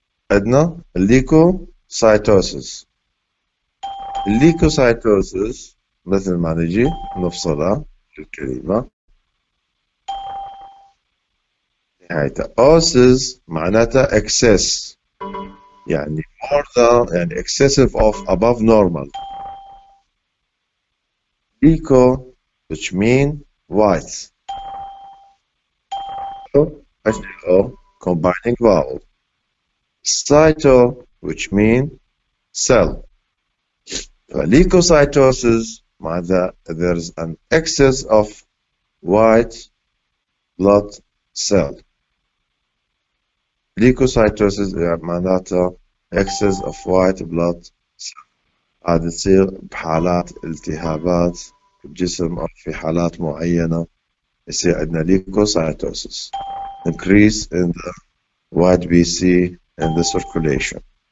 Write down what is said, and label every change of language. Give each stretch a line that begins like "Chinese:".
Arabic: عندنا leukocytosis. leukocytosis مثل ما نجي نفصلها في الكلمة نهايتها osis معناتها excess يعني
English: more than
Arabic: يعني
English: excessive of above normal. leuko which mean white so combining vowel cyto which mean cell. Leukocytosis means that there is an excess of white blood cell. Leukocytosis means that excess of white blood cell.
Arabic: هذا يصير بحالات التهابات الجسم أو في حالات معينة يصير عندنا leukocytosis.
English: Increase in the white BC in the circulation.